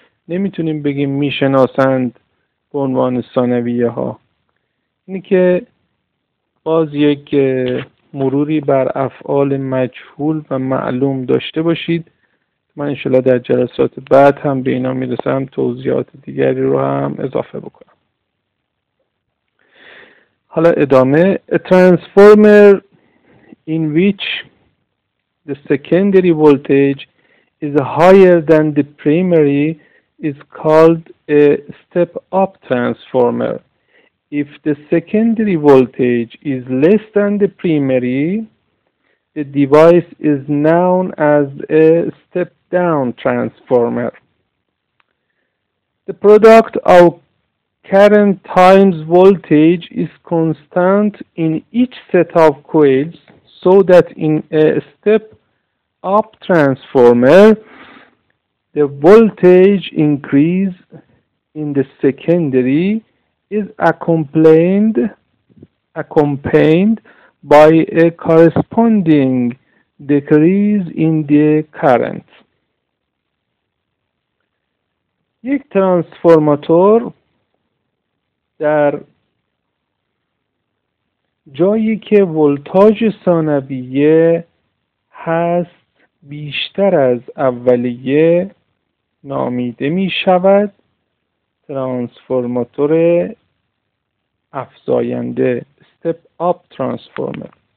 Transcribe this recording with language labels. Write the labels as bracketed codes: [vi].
[fa] نمیتونیم بگیم می شناسند به عنوان ثانویه ها. اینی که باز یک مروری بر افعال مجهول و معلوم داشته باشید. من انشاءالله در جلسات بعد هم به اینا میرسم، توضیحات دیگری رو هم اضافه بکنم. حالا ادامه. [en] A transformer in which the secondary voltage is higher than the primary is called a step-up transformer. If the secondary voltage is less than the primary, the device is known as a step-down transformer. The product of current times voltage is constant in each set of coils, so that in a step-up transformer, the voltage increase in the secondary is accompanied by a corresponding decrease in the current. [fa] یک ترانسفورماتور در جایی که ولتاژ ثانویه هست بیشتر از اولیه نامیده می شود ترانسفورماتور افزاینده، [en] step up transformer.